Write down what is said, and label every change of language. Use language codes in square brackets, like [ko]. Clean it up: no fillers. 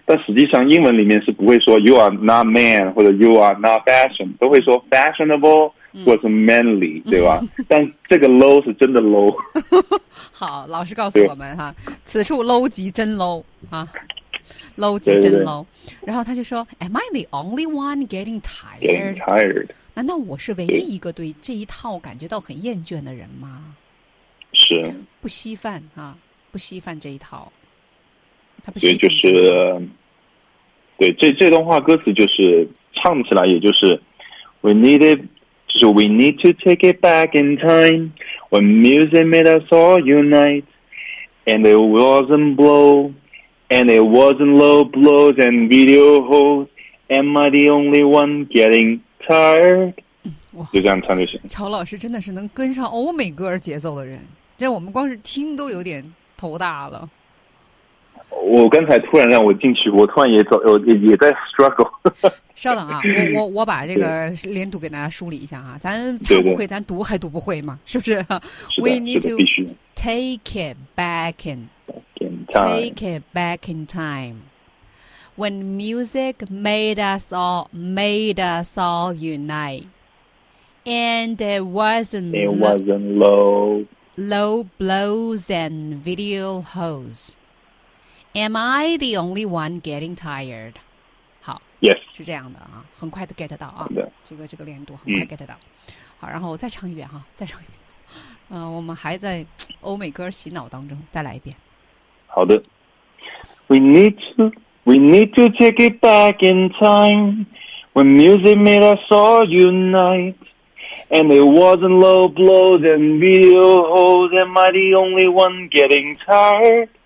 [zh] 但实际上英文里面是不会说 [en] you are not man [zh] 或者 [en] you are not fashion， [zh] 都会说 fashionable 或者是 manly，嗯，对吧？但这个 low 是真的 low。好，老师告诉我们哈，此处 low 即真 low 啊。 low 即真 low，对对对然后他就说 [en] ，Am I the only one getting tired？ Getting tired？ [zh] 难道我是唯一一个对这一套感觉到很厌倦的人吗？是。不稀饭啊，不稀饭这一套。他不稀饭。对，就是，对，这段话歌词就是唱起来，也就是 [en] ，We need it， 就是 We need to take it back in time when music made us all unite and it wasn't blow。 And it wasn't low blows and video holes. Am I the only one getting tired? [zh] 就这样唱就行。乔老师真的是能跟上欧美歌节奏的人，这我们光是听都有点头大了。我刚才突然让我进去，我突然也在 struggle。稍等啊，我把这个连读给大家梳理一下啊，咱唱不会，对对，咱读还读不会吗？是不是？是 [en] We need to take it back in。 Take it back in time when music made us all unite and it wasn't low blows and video holes. Am I the only one getting tired? [zh] 好 [en] yes [zh] 是这样的啊，很快的 get 到啊，这个连读很快 get 到，嗯，好，然后再唱一遍哈，再唱一遍，我们还在欧美歌洗脑当中，再来一遍。 [en] 好的 We need to take it back in time when music made us all unite and it wasn't low blows and video holes am I the only one getting tired